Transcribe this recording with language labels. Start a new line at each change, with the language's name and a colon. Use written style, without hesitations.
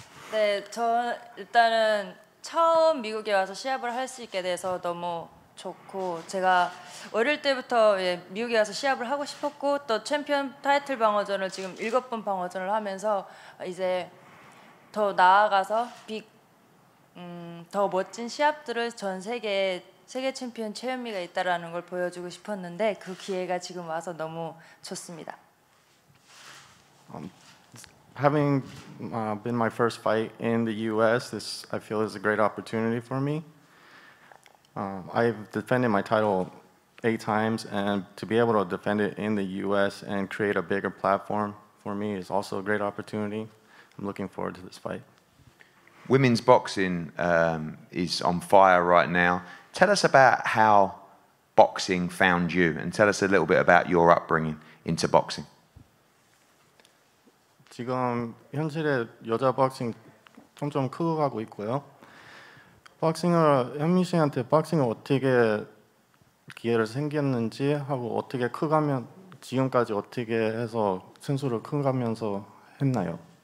Korean: 네, 저 일단은 처음 미국에 와서 시합을 할 수 있게 돼서 너무 좋고 제가 어릴 때부터 예, 미국에 와서 시합을 하고 싶었고 또 챔피언 타이틀 방어전을 지금 7번 방어전을 하면서 이제 더 나아가서 더 멋진 시합들을 전 세계 챔피언 최현미가 있다라는 걸 보여주고 싶었는데 그 기회가 지금 와서 너무 좋습니다.
English: Having been my first fight in the US, this I feel is a great opportunity for me. I've defended my title 8 times, and to be able to defend it in the U.S. and create a bigger platform for me is also a great opportunity. I'm looking forward to this fight. Women's boxing is on fire right now. Tell us about how boxing found you, and tell us a little bit about your upbringing into boxing.
Korean: 지금 현실에 여자 박싱 점점 커가고 있고요. 박싱을 현미 씨한테 박싱을 어떻게 기회를 생겼는지 하고 어떻게 커가면 지금까지 어떻게 해서 선수를 커가면서 했나요?